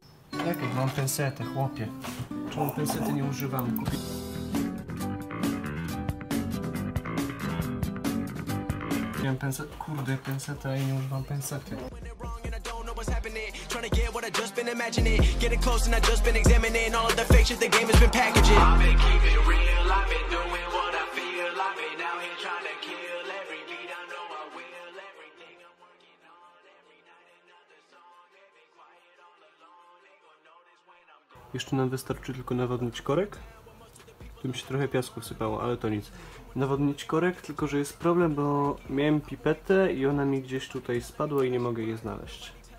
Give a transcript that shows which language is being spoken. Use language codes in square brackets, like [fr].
[pl] Tak, mam pęsetę, chłopie. Czemu pęsety nie używam? Miałem pęsetę, kurde, pęsetę, i nie używam pęsety. [en] Trying to get what I just been imagining. Getting close and I just been examining all of the fake shit the game has been packaging. I've been keeping real, I've been doing what I feel. I've been out here trying to kill every beat. I know I will. Everything I'm working on, every night and another song. [pl] Jeszcze nam wystarczy tylko nawodnić korek. Tu mi się trochę piasku wsypało, ale to nic. Nawodnić korek, tylko że jest problem, bo miałem pipetę i ona mi gdzieś tutaj spadła i nie mogę jej znaleźć.